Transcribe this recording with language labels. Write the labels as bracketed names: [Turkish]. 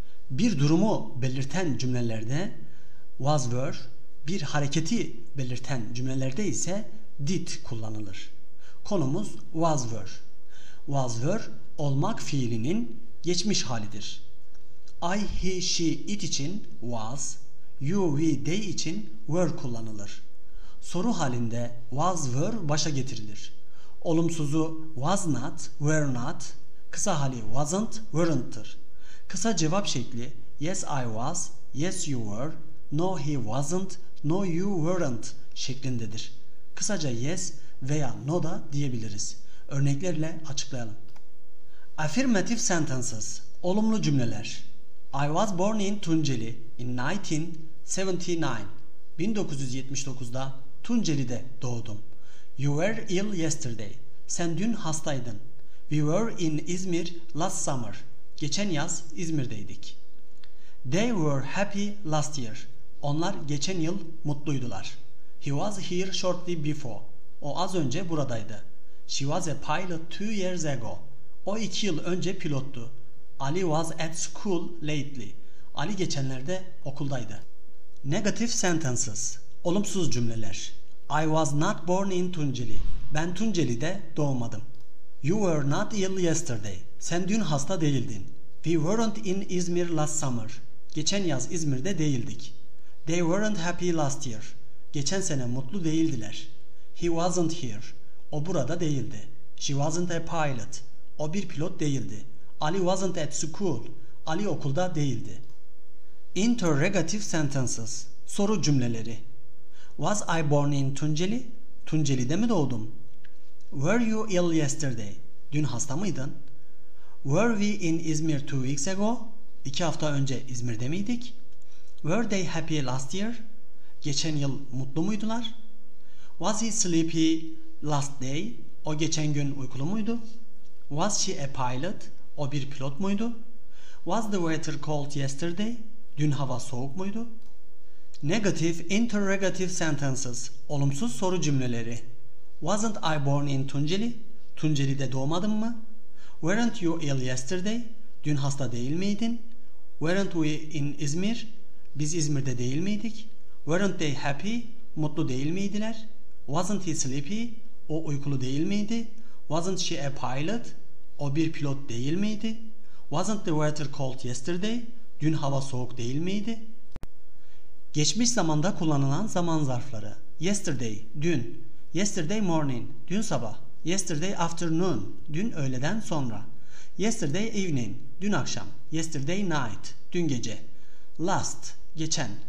[Turkish] Bir durumu belirten cümlelerde was, were, bir hareketi belirten cümlelerde ise did kullanılır. Konumuz was, were. Was, were, olmak fiilinin geçmiş halidir. I, he, she, it için was, you, we, they için were kullanılır. Soru halinde was, were başa getirilir. Olumsuzu was not, were not, kısa hali wasn't, weren't'tır. Kısa cevap şekli yes I was, yes you were, no he wasn't, no you weren't şeklindedir. Kısaca yes veya no da diyebiliriz. Örneklerle açıklayalım. [English] Affirmative sentences. [Turkish] Olumlu cümleler. [English] I was born in Tunceli in 1979. [Turkish] 1979'da Tunceli'de doğdum. [English] You were ill yesterday. [Turkish] Sen dün hastaydın. [English] We were in İzmir last summer. [Turkish] Geçen yaz İzmir'deydik. [English] They were happy last year. [Turkish] Onlar geçen yıl mutluydular. [English] He was here shortly before. [Turkish] O az önce buradaydı. [English] She was a pilot 2 years ago. [Turkish] O 2 yıl önce pilottu. [English] Ali was at school lately. [Turkish] Ali geçenlerde okuldaydı. [English] Negative sentences. [Turkish] Olumsuz cümleler. [English] I was not born in Tunceli. [Turkish] Ben Tunceli'de doğmadım. [English] You were not ill yesterday. [Turkish] Sen dün hasta değildin. [English] We weren't in İzmir last summer. [Turkish] Geçen yaz İzmir'de değildik. [English] They weren't happy last year. [Turkish] Geçen sene mutlu değildiler. [English] He wasn't here. [Turkish] O burada değildi. [English] She wasn't a pilot. [Turkish] O bir pilot değildi. [English] Ali wasn't at school. [Turkish] Ali okulda değildi. [English] Interrogative sentences. [Turkish] Soru cümleleri. [English] Was I born in Tunceli? [Turkish] Tunceli'de mi doğdum? [English] Were you ill yesterday? [Turkish] Dün hasta mıydın? [English] Were we in İzmir 2 weeks ago? [Turkish] 2 hafta önce İzmir'de miydik? [English] Were they happy last year? [Turkish] Geçen yıl mutlu muydular? [English] Was he sleepy last day? [Turkish] O geçen gün uykulu muydu? [English] Was she a pilot? [Turkish] O bir pilot muydu? [English] Was the weather cold yesterday? [Turkish] Dün hava soğuk muydu? [English] Negative interrogative sentences. [Turkish] Olumsuz soru cümleleri. [English] Wasn't I born in Tunceli? [Turkish] Tunceli'de doğmadın mı? [English] Weren't you ill yesterday? [Turkish] Dün hasta değil miydin? [English] Weren't we in İzmir? [Turkish] Biz İzmir'de değil miydik? [English] Weren't they happy? [Turkish] Mutlu değil miydiler? [English] Wasn't he sleepy? [Turkish] O uykulu değil miydi? [English] Wasn't she a pilot? [Turkish] O bir pilot değil miydi? [English] Wasn't the weather cold yesterday? [Turkish] Dün hava soğuk değil miydi? Geçmiş zamanda kullanılan zaman zarfları. [English] Yesterday, dün. Yesterday morning, [Turkish] dün sabah. [English] Yesterday afternoon, [Turkish] dün öğleden sonra. [English] Yesterday evening, [Turkish] dün akşam. [English] Yesterday night, [Turkish] dün gece. [English] Last, geçen.